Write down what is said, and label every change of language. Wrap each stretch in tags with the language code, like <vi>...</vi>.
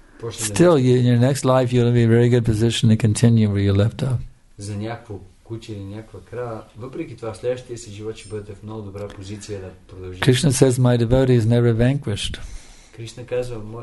<en>Still, you, in your next life, you'll be in a very good position to continue where you left off.</en> <bg>За някакво куче или някаква крава, въпреки това, в следващия си живот ще бъдете в много добра позиция да продължите.</bg> <en>Krishna says, my devotee is never vanquished.</en> <bg>Krishna казва,</bg>